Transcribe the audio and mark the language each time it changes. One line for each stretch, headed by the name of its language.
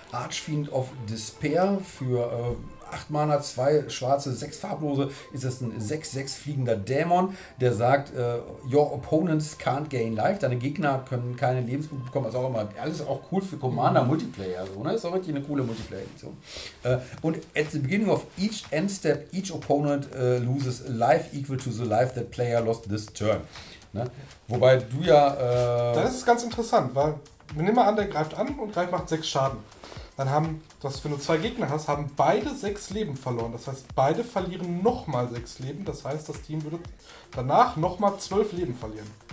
German: Archfiend of Despair für 8 Mana, 2 schwarze, 6 farblose. Ist das ein 6-6 fliegender Dämon, der sagt,
English: your opponents can't gain life.
German: Deine Gegner können keine Lebenspunkte bekommen. Also auch immer, alles auch cool für Commander Multiplayer. So, ne? Ist auch wirklich eine coole Multiplayer-Edition.
English: Und at the beginning of each end step, each opponent loses life equal to the life that player lost this turn.
German: Ne? Wobei du ja... Das ist ganz interessant, weil wir nehmen mal an, der greift an und greift macht 6 Schaden. Dann haben, dass wenn du 2 Gegner hast, haben beide 6 Leben verloren. Das heißt, beide verlieren nochmal 6 Leben. Das heißt, das Team würde danach nochmal 12 Leben verlieren.